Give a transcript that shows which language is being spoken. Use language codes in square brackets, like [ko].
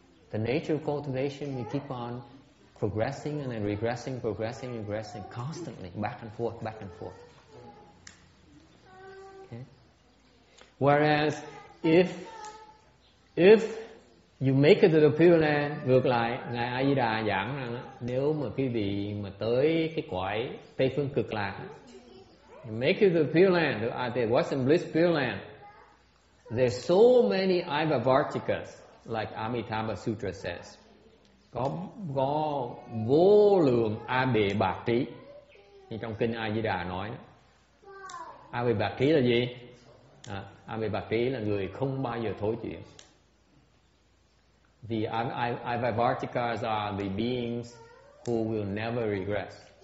[en] The nature of cultivation, you keep on progressing and then regressing constantly, back and forth. Okay. Whereas if you make it to the Pure Land, [vi] ngược lại, ngài A Di Đà giảng rằng nếu mà quý vị mà tới cái cõi Tây phương Cực Lạc, [en] make it to the Pure Land, [vi] the Western Bliss Pure Land, [en] there's so many Ivavartikas, like Amitabha Sutra says, [vi] có vô lượng A Bệ Bạc Trí, như trong kinh A Di Đà nói. A Bệ Bạc Trí là gì? A Bệ Bạc Trí là người không bao giờ thối chuyển. [en] The Ivavartikas are the beings who will never regress.